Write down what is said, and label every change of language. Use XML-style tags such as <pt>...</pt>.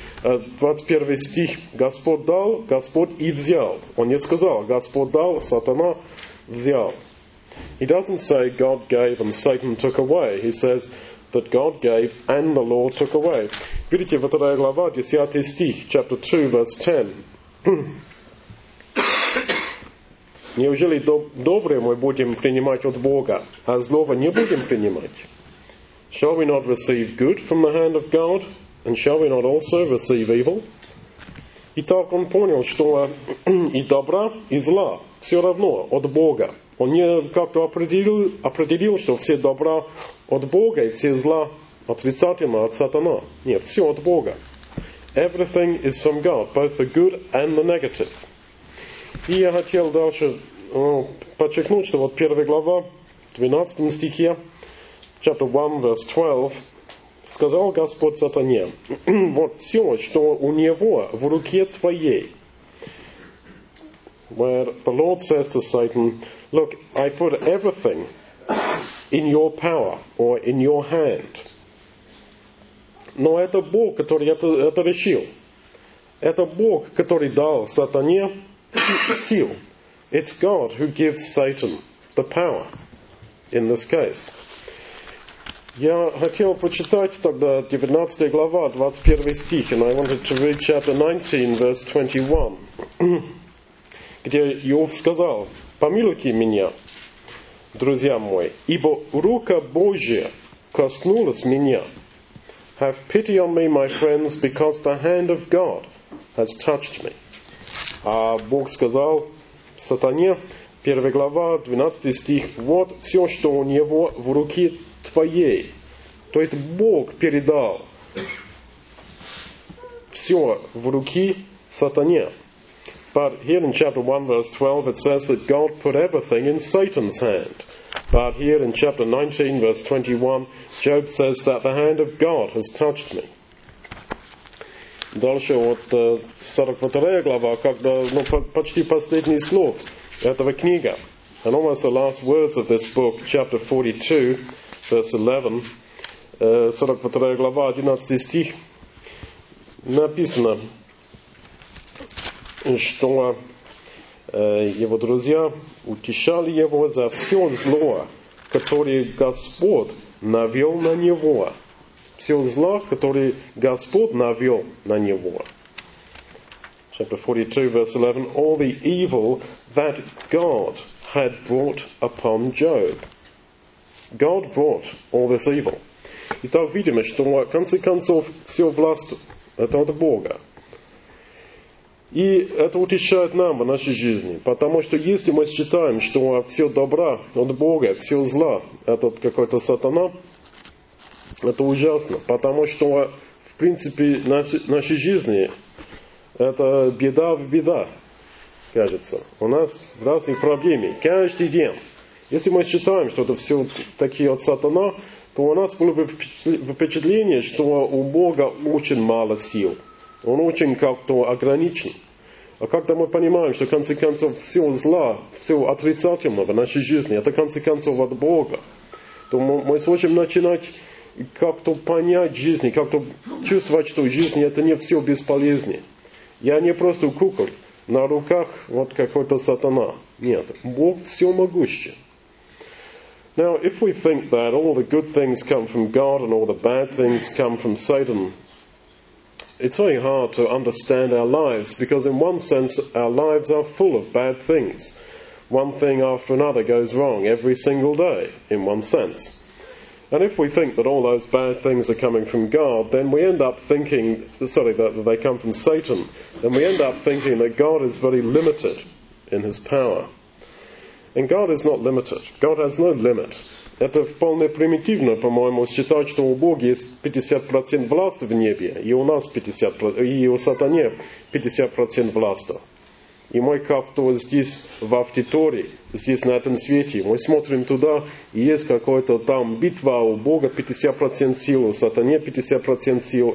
<ru>21 стих. Господь дал, Господь и взял. Он не сказал, Господь дал, сатана взял.</ru> <en>He doesn't say God gave and Satan took away. He says, that God gave and the law took away.</en> <ru>Видите, во вторая глава, 10 стих,</ru> <en>chapter 2, verse 10.</en> <ru>Неужели доброе мы будем принимать от Бога, а злого не будем принимать?</ru> <en>Shall we not receive good from the hand of God, and shall we not also receive evil?</en> <ru>Итак, он понял, что и добра, и зла все равно от Бога. Он не как-то определил, что все добра от Бога и все зла отрицательно от сатана. Нет, все от Бога.</ru> <en>Everything is from God, both the good and the negative.</en> <ru>И я хотел дальше подчеркнуть, что вот первая глава, 12 стихе,</ru> <en>chapter 1, verse 12,</en> <ru>сказал Господь сатане, вот все, что у него в руке твоей.</ru> <en>Where the Lord says to Satan, look, I put everything in your power or in your hand.</en> <ru>Но это Бог, который это решил. Это Бог, который дал сатане сил.</ru> <en>It's God who gives Satan the power in this case.</en> <ru>Я хотел почитать тогда 19 глава, 21 стих,</ru> <en>and I wanted to read chapter 19, verse 21,</en> <ru>где Иов сказал, помилуйте меня, друзья мои, ибо рука Божья коснулась меня.</ru> <en>Have pity on me, my friends, because the hand of God has touched me.</en> <ru>А Бог сказал сатане, 1 глава, 12 стих, вот все, что у него в руке твоей. То есть Бог передал все в руки сатане.</ru> <en>But here in chapter 1, verse 12, it says that God put everything in Satan's hand. But here in chapter 19, verse 21, Job says that the hand of God has touched me.</en> <ru>Дальше вот 42 глава, когда почти последний слов этого книга.</ru> <en>And almost the last words of this book, chapter 42, verse 11,</en> <ru>42 глава, 11 стих, написано, что его друзья утешали его за все зло, которое Господь навел на него. Все зло, которое Господь навел на него.</ru> <en>Chapter 42, verse 11, all the evil that God had brought upon Job. God brought all this evil.</en> <ru>Итак, видим, что в конце концов все власть это от Бога. И это утешает нам в нашей жизни. Потому что если мы считаем, что все добра от Бога, все зла это от какой-то сатана, это ужасно. Потому что в принципе нашей жизни это беда в беда, кажется. У нас в разных проблеме. Каждый день. Если мы считаем, что это все такие от сатана, то у нас было бы впечатление, что у Бога очень мало сил. Он очень как-то ограничен. А как-то мы понимаем, что в конце концов все зла, все отрицательное в нашей жизни, это в конце концов от Бога, то мы сможем начинать как-то понять жизнь, как-то чувствовать, что жизнь это не все бесполезнее. Я не просто кукол на руках вот какой-то сатана. Нет, Бог всемогущий.</ru> <en>Now, if we think that all the good things come from God and all the bad things come from Satan, it's very hard to understand our lives because in one sense our lives are full of bad things. One thing after another goes wrong every single day, in one sense. And if we think that all those bad things are coming from God, then we end up thinking, that they come from Satan, then we end up thinking that God is very limited in his power. And God is not limited. God has no limit.</en> <ru>Это вполне примитивно, по-моему, считать, что у Бога есть 50% власти в небе, и у нас 50%, и у сатане 50% власти. И мы как-то здесь, в аудитории, здесь, на этом свете, мы смотрим туда, и есть какая-то там битва, у Бога 50% сил, у сатане 50% сил.</ru>